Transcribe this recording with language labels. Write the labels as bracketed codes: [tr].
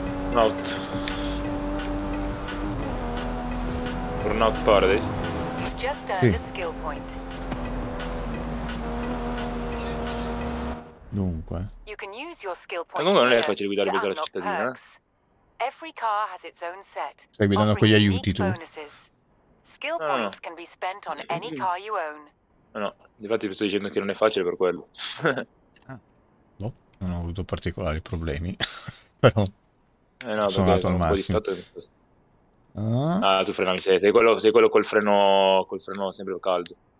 [en] Not Burnout Paradise. [it] Sì. Dunque. [en] You can use your skill point. [it] Comunque non è facile guidare in mezzo alla cittadina. [en] Every car has its own set. [it] Stai guidando con gli aiuti tu? [en] Skill points can be spent on any car you own. [it] No, infatti sto dicendo che non è facile per quello. No, non ho avuto particolari problemi. Però no, sono andato al massimo. Ah, tu frenami, sei quello col freno sempre caldo.